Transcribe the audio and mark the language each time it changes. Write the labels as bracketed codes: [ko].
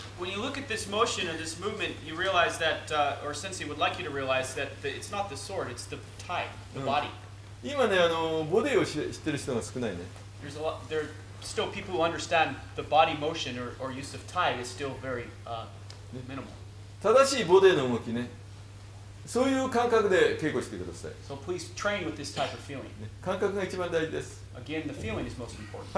[en] When you look at this motion or this movement, you realize that, or sensei would like you to realize that it's not the sword, it's the tai, the body.、 [ja] うん、今ね、ボディを知ってる人が少ないね。 [en] There's a lot, there are still people who understand the body motion or use of tai is still very, minimal.、 [ja] ね、正しいボディの動きね。そういう感覚で稽古してください。 [en] So please train with this type of feeling. [ja] 感覚が一番大事です。 [en] Again, the feeling is most important.